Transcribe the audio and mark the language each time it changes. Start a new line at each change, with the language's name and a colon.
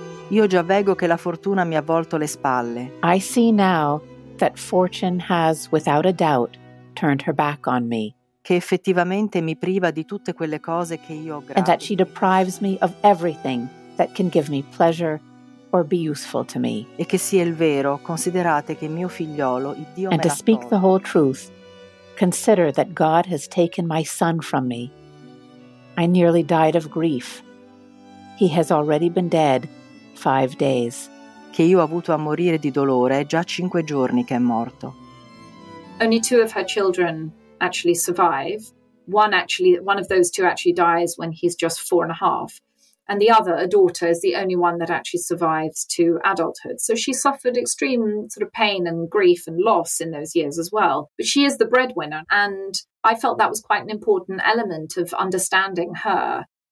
Italian: Io già vedo che la fortuna mi ha volto le spalle.
English: I see now that fortune has, without a doubt, turned her back on me.
Italian: Che effettivamente mi priva di tutte quelle cose che io gradi.
English: And that she deprives me of everything that can give me pleasure or be useful to me.
Italian: E che sia il vero, considerate che mio figliolo, il Dio me l'ha.
English: And to speak the whole truth, consider that God has taken my son from me. I nearly died of grief. He has already been dead 5 days.
Italian: Che io ho avuto a morire di dolore è già 5 giorni che è morto.
English: Only 2 of her children actually survive. One of those two actually dies when he's just 4 and a half. And the other, a daughter, is the only one that actually survives to adulthood. So she suffered extreme sort of pain and grief and loss in those years as well. But she is the breadwinner. And I felt that was quite an important element of understanding her.